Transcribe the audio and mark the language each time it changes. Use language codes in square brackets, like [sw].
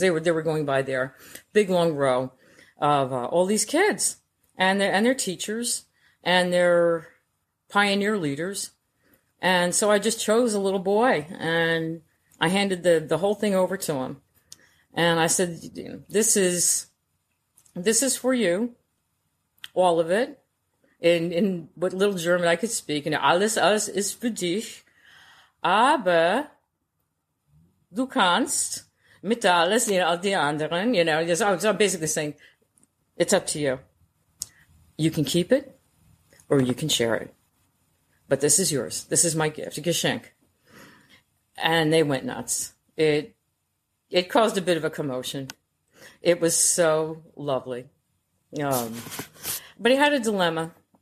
[en] They were going by there. Big, long row of all these kids and their teachers and their pioneer leaders. And so I just chose a little boy, and I handed the whole thing over to him. And I said, this is for you, all of it, in what little German I could speak. [de] And alles, alles ist für dich, aber du kannst mit alles, all die anderen, [en] so I'm basically saying, it's up to you. You can keep it or you can share it. But this is yours. This is my gift, Geschenk. And they went nuts. It caused a bit of a commotion. It was so lovely. But he had a dilemma.